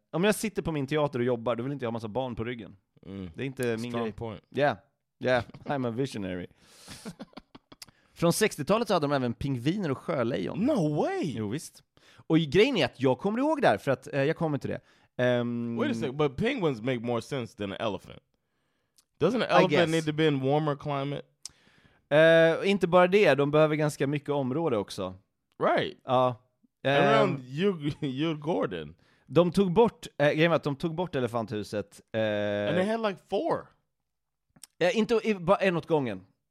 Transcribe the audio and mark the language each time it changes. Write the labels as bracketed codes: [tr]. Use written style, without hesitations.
[sv] Om jag sitter på min teater och jobbar, då vill inte jag ha massa barn på ryggen. Mm. Det är inte [en] strong [sv] min grej. [en] Strong point. Yeah, I'm a visionary. [sv] Från 60-talet så hade de även pingviner och sjölejon. [en] No way! [sv] Jo, visst. Och grejen är att jag kommer ihåg där, för att jag kommer till det. [en] Wait a second, but penguins make more sense than an elephant. Doesn't an elephant need to be in warmer climate? [sv] Inte bara det, de behöver ganska mycket område också. [en] Right. [sv] Ja. [en] Around your garden. [sv] De tog bort, grejen var att de tog bort elefanthuset. [en] And they had like four. [sv] Inte bara en åt gången.